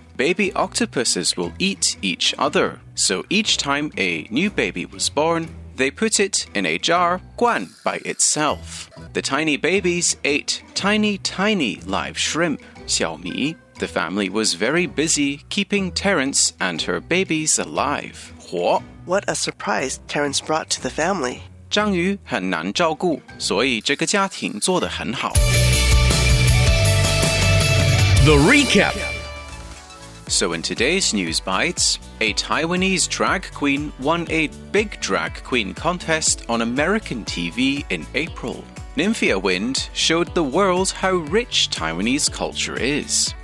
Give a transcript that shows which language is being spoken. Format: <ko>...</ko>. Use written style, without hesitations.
<en>Baby octopuses will eat each other. So each time a new baby was born, they put it in a jar, 罐, by itself. The tiny babies ate tiny, tiny live shrimp, 小米. The family was very busy keeping Terrence and her babies alive.</en> <zh>活.</zh> <en>What a surprise Terrence brought to the family.</en> <zh>章鱼很难照顾, 所以这个家庭做得很好。</zh> <en>The Recap. So in today's News Bites, a Taiwanese drag queen won a big drag queen contest on American TV in April. Nymphia Wind showed the world how rich Taiwanese culture is.</en>